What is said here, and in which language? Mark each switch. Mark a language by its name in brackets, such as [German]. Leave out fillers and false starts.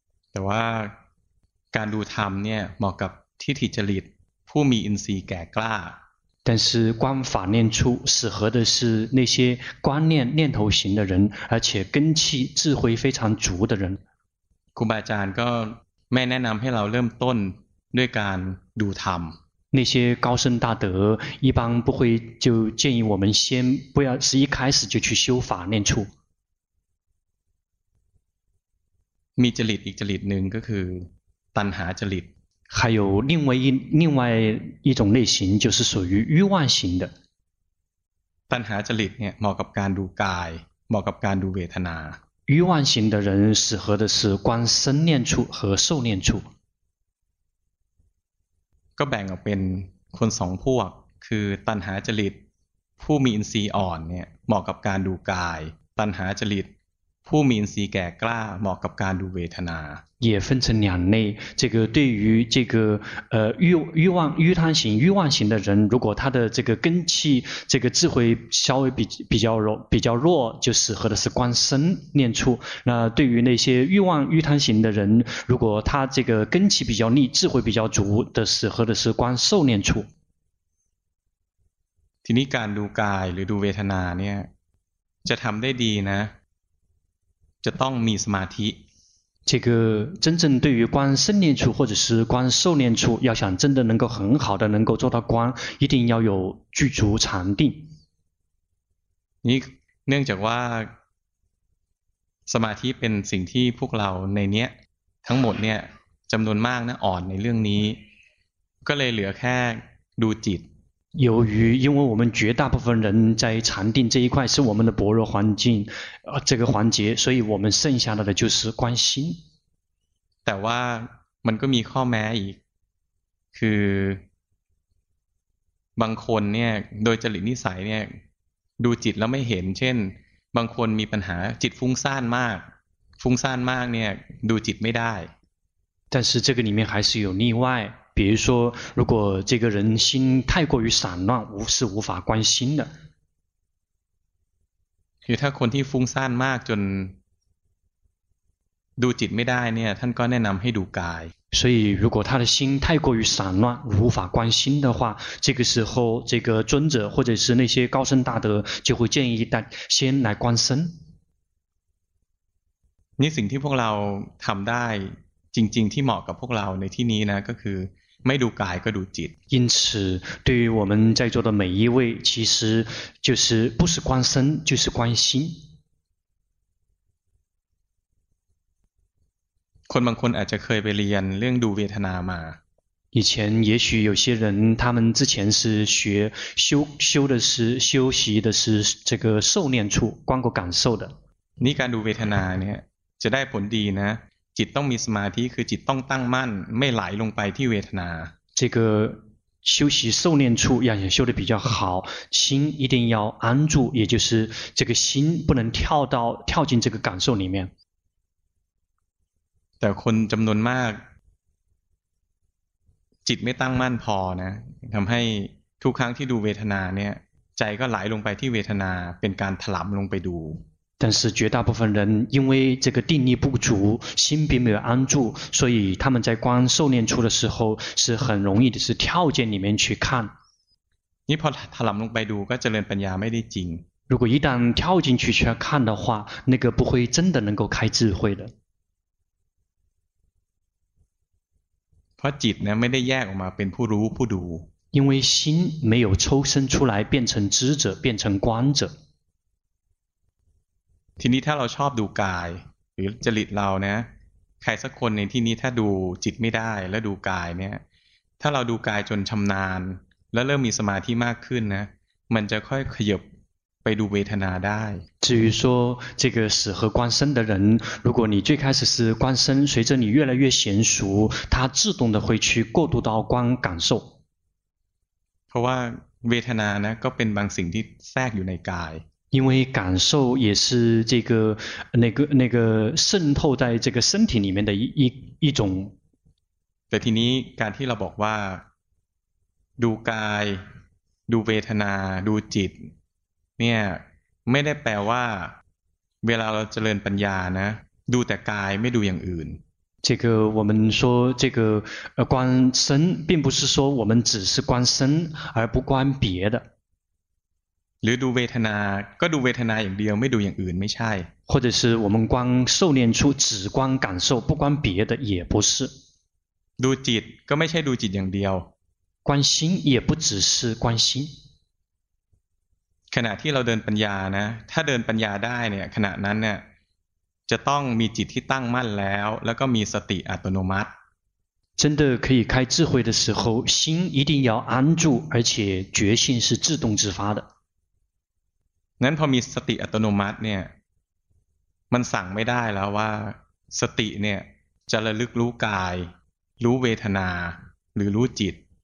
[Thai] แต่ว่าการดูธรรมเนี่ยเหมาะกับทิฏฐิจริตผู้มีอินทรีย์แก่กล้า [Chinese] 但是观法念处适合的是那些观念念头型的人而且根气智慧非常足的人 [Thai] ครูบาอาจารย์ก็ไม่แนะนำให้เราเริ่มต้นด้วยการดูธรรม [Chinese] 那些高僧大德一般不会就建议我们先不要是一开始就去修法念处 [Thai] มีจริตอีกจริตหนึ่งก็คือตัณหาจริต [Chinese] 还有另外一种类型就是属于欲望型的 [Thai] ตัณหาจริตเนี่ยเหมาะกับการดูกายเหมาะกับการดูเวทนา [Chinese] 欲望型的人适合的是观身念处和受念处 [Thai] ก็แบ่งออกเป็นคนสองพวกคือตัณหาจริตผู้มีอินทรีย์อ่อนเนี่ยเหมาะกับการดูกายตัณหาจริตผู้มีอินทรีย์แก่กล้าเหมาะกับการดูเวทนา [Chinese] 也分成两类这个对于这个欲望型的人如果他的这个根气这个智慧稍微比较弱就适合的是观身念处那对于那些欲望欲贪型的人如果他这个根气比较利智慧比较足的适合的是观受念处 [Thai] ทีนี้การดูกายหรือดูเวทนาเนี่ยจะทำได้ดีนะจะต้องมีสมาธิ [Chinese] 这个真正对于观身念处或者是观受念处要想真的能够很好的能够做到观一定要有具足禅定 [Thai] นี่เนื่องจากว่าสมาธิเป็นสิ่งที่พวกเราในเนี้ยทั้งหมดเนี่ยจำนวนมากนะอ่อนในเรื่องนี้ก็เลยเหลือแค่ดูจิต [Chinese] 由于因为我们绝大部分人在禅定这一块是我们的薄弱环境这个环节所以我们剩下的就是观心 [Thai] แต่ว่ามันก็มีข้อแม้อีกคือบางคนเนี่ยโดยจริตนิสัยเนี่ยดูจิตแล้วไม่เห็นเช่นบางคนมีปัญหาจิตฟุ้งซ่านมากเนี่ยดูจิตไม่ได้ [Chinese] 但是这个里面还是有例外比如说如果这个人心太过于散乱是无法观心的 [Thai] คือถ้าคนที่ฟุ้งซ่านมากจนดูจิตไม่ได้เนี่ยท่านก็แนะนำให้ดูกาย [Chinese] 所以如果他的心太过于散乱无法观心的话这个时候这个尊者或者是那些高僧大德就会建议他先来观身 [Thai] นี่สิ่งที่พวกเราทำได้จริงๆที่เหมาะกับพวกเราในที่นี้นะก็คือไม่ดูกายก็ดูจิต [Chinese] 因此对于我们在座的每一位其实就是不是观身就是观心 [Thai] คนบางคนอาจจะเคยไปเรียนเรื่องดูเวทนามา [Chinese] 以前也许有些人他们之前是学修的是修习的是这个受念处观过感受的 [Thai] นี่การดูเวทนาเนี่ย จะได้ผลดีนะจิตต้องมีสมาธิคือจิตต้องตั้งมั่นไม่ไหลลงไปที่เวทนา [Chinese] 这个修习受念处要也修得比较好，心一定要安住，也就是这个心不能跳到跳进这个感受里面。 [Thai] แต่คนจำนวนมากจิตไม่ตั้งมั่นพอนะทำให้ทุกครั้งที่ดูเวทนาเนี่ยใจก็ไหลลงไปที่เวทนาเป็นการถลำลงไปดู [Chinese] 但是绝大部分人因为这个定力不足，心并没有安住，所以他们在观受念处的时候是很容易的是跳进里面去看。 [Thai] 你พอถลำลงไปดูก็เจริญปัญญาไม่ได้จริง。 [Chinese] 如果一旦跳进去去看的话，那个不会真的能够开智慧的。 [Thai] เพราะจิตเนี่ยไม่ได้แยกออกมาเป็นผู้รู้ผู้ดู。 [Chinese] 因为心没有抽身出来变成知者，变成观者。 [Thai] ทีนี้ถ้าเราชอบดูกายหรือจริตเรานะใครสักคนในที่นี้ถ้าดูจิตไม่ได้แล้วดูกายเนี่ยถ้าเราดูกายจนชำนาญแล้วเริ่มมีสมาธิมากขึ้นนะมันจะค่อยขยับไปดูเวทนาได้ [Chinese] 至于说这个适合观身的人如果你最开始是观身随着你越来越娴熟它自动的会去过渡到观感受 [Thai] เพราะว่าเวทนานะก็เป็นบางสิ่งที่แทรกอยู่ในกาย [Chinese] 因为感受也是这个那个渗透在这个身体里面的一种。 [Thai] แต่ทีนี้การที่เราบอกว่าดูกายดูเวทนาดูจิตเนี่ยไม่ได้แปลว่าเวลาเราเจริญปัญญานะดูแต่กายไม่ดูอย่างอื่น [Chinese] 这个我们说这个观身并不是说我们只是观身而不观别的。 [Thai] หรือดูเวทนาก็ดูเวทนาอย่างเดียวไม่ดูอย่างอื่นไม่ใช่ [Chinese] 或者是我们光受念处只光感受不光别的也不是 [Thai] ดูจิตก็ไม่ใช่ดูจิตอย่างเดียว [Chinese] 观心也不只是观心 [Thai] ขณะที่เราเดินปัญญานะถ้าเดินปัญญาได้เนี่ยขณะนั้นเนี่ยจะต้องมีจิตที่ตั้งมั่นแล้วแล้วก็มีสติอัตโนมัติ [Chinese] 真的可以开智慧的时候心一定要安住而且觉性是自动自发的 [Thai] นั้นพอมีสติอัตโนมัติเนี่ยมันสั่งไม่ได้แล้วว่าสติเนี่ยจะระลึกรู้กายรู้เวทนาหรือรู้จิต